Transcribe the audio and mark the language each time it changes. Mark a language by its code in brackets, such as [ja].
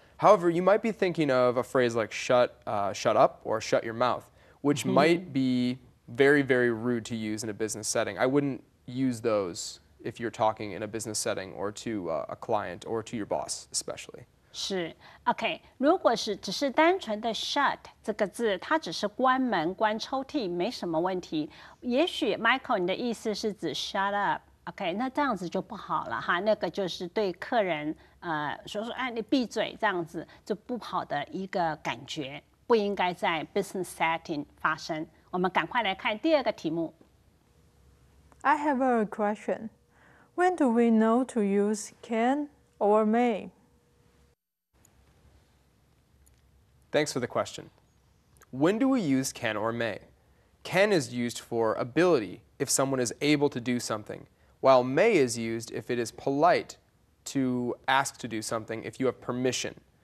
[en] However, you might be thinking of a phrase like shut up or shut your mouth, which might be very, very rude to use in a business setting. I wouldn't use those if you're talking in a business setting or to a client or to your boss, especially. [zh] 是 ，OK。如果是只是单纯的 shut 这个字，它只是关门、关抽屉，没什么问题。也许 Michael， 你的意思是指 shut up，OK？、Okay, 那这样子就不好了哈。那个就是对客人所说，哎，你闭嘴，这样子就不好的一个感觉，不应该在 business setting 发生。我们赶快来看第二个题目。 [en] I have a question. When do we know to use can or may? Thanks for the question. When do we use can or may? Can is used for ability, if someone is able to do something, while may is used if it is polite to ask to do something, if you have permission.